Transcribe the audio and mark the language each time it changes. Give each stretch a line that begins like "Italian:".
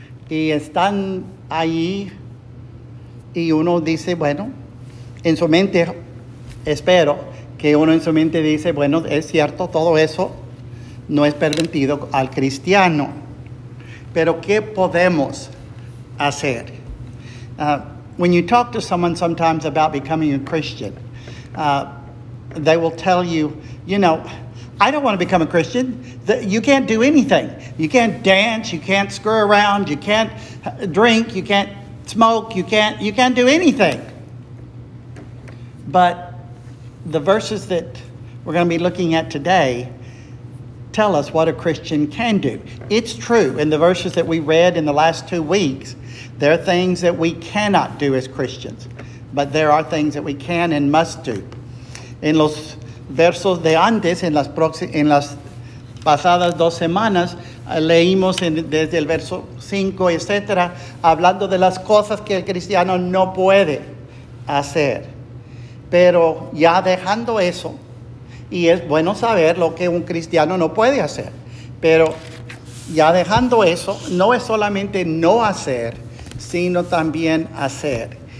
Spanish: Y están ahí y uno dice, bueno, en su mente, espero que uno en su mente dice, bueno, es cierto, todo eso no es permitido al cristiano. Pero ¿qué podemos hacer?
English: When you talk to someone sometimes about becoming a Christian, they will tell you, you know, I don't want to become a Christian. You can't do anything. You can't dance. You can't screw around. You can't drink. You can't smoke. You can't do anything. But the verses that we're going to be looking at today tell us what a Christian can do. It's true. In the verses that we read in the last 2 weeks, there are things that we cannot do as Christians, but there are things that we can and must do.
Spanish: En los versos de antes, en las pasadas 2 semanas, leímos desde el verso 5, etcétera, hablando de las cosas que el cristiano no puede hacer. Pero ya dejando eso, y es bueno saber lo que un cristiano no puede hacer, pero ya dejando eso, no es solamente no hacer, sino también hacer.